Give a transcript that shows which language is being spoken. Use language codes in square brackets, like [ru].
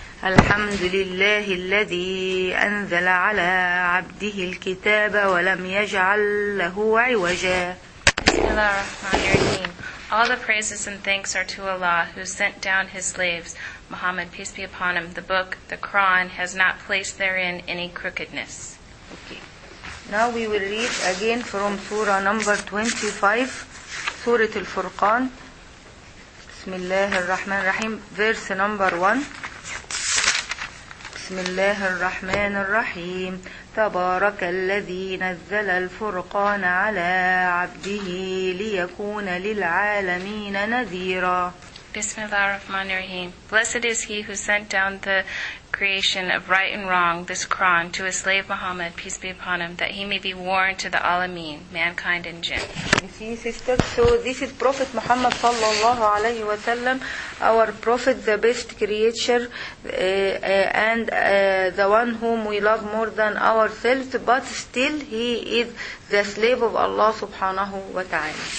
[ar] الحمد لله الذي أنزل على عبده الكتاب ولم يجعل له عوجا. Bismillah ar-Rahman ar-Rahim. [en] All the praises and thanks are to Allah, who sent down His slaves, Muhammad, peace be upon him. The book, the Quran, has not placed therein any crookedness. Okay. Now we will read again from Surah number 25, Surah Al-Furqan. [ar] Bismillah ar-Rahman ar-Rahim. [en] Verse number 1. [ar] Bismillah ar-Rahman ar-Rahim. تبارك الذي نزل الفرقان على عبده ليكون للعالمين نذيرا. بسم الله الرحمن الرحيم. [en] Blessed is he who sent down the creation of right and wrong, this Quran, to his slave Muhammad, peace be upon him, that he may be warned to the alameen, mankind and jinn. You see, sister, so this is Prophet Muhammad sallallahu alayhi wa sallam, our Prophet, the best creature, the one whom we love more than ourselves, but still he is the slave of Allah subhanahu wa ta'ala.